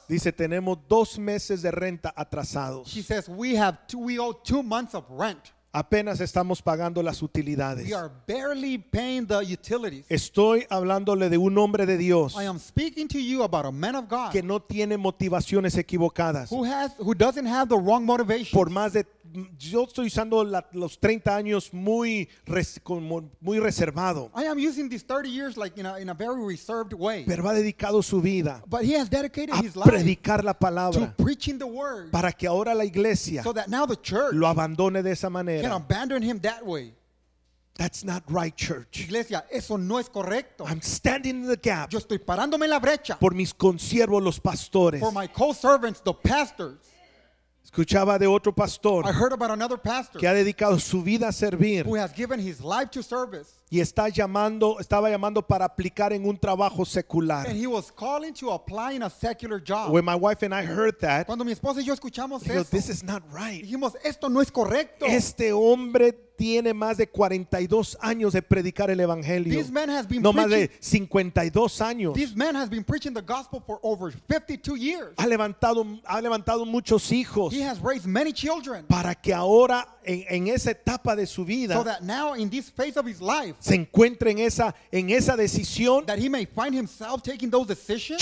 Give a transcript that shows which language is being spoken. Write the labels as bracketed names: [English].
[Spanish] Dice, tenemos 2 meses de renta atrasados. [English] She says, we owe 2 months of rent. [Spanish] Apenas estamos pagando las utilidades. [English] We are barely paying the utilities. [Spanish] Estoy hablándole de un hombre de Dios. [English] I am speaking to you about a man of God. [Spanish] Que no tiene motivaciones equivocadas. [English] Who doesn't have the wrong motivation. [Spanish] Por más de, yo estoy usando los 30 años muy reservado. [English] I am using these 30 years like in a very reserved way. [Spanish] Pero ha dedicado su vida. [English] But he has dedicated his life. [Spanish] A predicar la palabra. [English] To preaching the word. [Spanish] Para que ahora la iglesia. [English] So that now the church. [Spanish] Lo abandone de esa manera. [English] Can abandon him that way. That's not right, church. [Spanish] Iglesia, eso no es correcto. [English] I'm standing in the gap. [Spanish] Yo estoy parándome en la brecha. Por mis consiervos, los pastores. [English] For my co-servants, the pastors. [Spanish] Escuchaba de otro pastor. [English] I heard about another pastor. [Spanish] Que ha dedicado su vida a servir. [English] Who has given his life to service. [Spanish] Y estaba llamando para aplicar en un trabajo secular. [English] And he was calling to apply in a secular job. When my wife and I heard that. [Spanish] Cuando mi esposa y yo escuchamos esto. [English] This is not right. [Spanish] Dijimos, esto no es correcto. Este hombre tiene más de 42 años de predicar el evangelio. [English] This man has been [Spanish] no más de 52 años. [English] This man has been preaching the gospel for over 52 years. [Spanish] Ha levantado muchos hijos. [English] He has raised many children. [Spanish] Para que ahora en esa etapa de su vida. [English] So that now in this phase of his life. [Spanish] Se encuentre en esa decisión. [English] That he may find himself taking those decisions.